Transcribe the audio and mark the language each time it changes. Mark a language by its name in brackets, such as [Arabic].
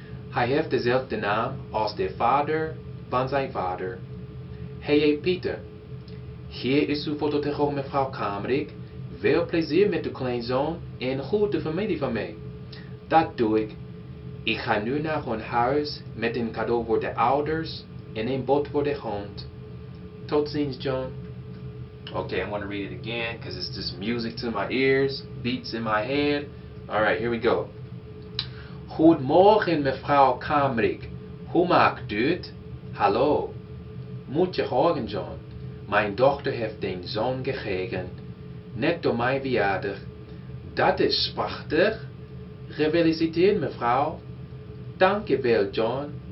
[Dutch] Hij heeft dezelfde naam als de vader van zijn vader. Hij heet Pieter. Hier is uw foto tegen mevrouw Kamerik. Veel plezier met uw kleinzoon en goede familie van mij. Dat doe ik. Ik ga nu naar hun huis met een cadeau voor de ouders en een boot voor de hond. Tot ziens, John. [English] Okay, I'm gonna read it again because it's just music to my ears, beats in my head. Alright, here we go. [Dutch] Goedemorgen, mevrouw Kamerik. Hoe maakt u het? Hallo. Moet je horen, John. Mijn dochter heeft een zoon gekregen. Net door mijn verjaardag. Dat is prachtig. Gefeliciteerd, mevrouw. Dank je wel, John.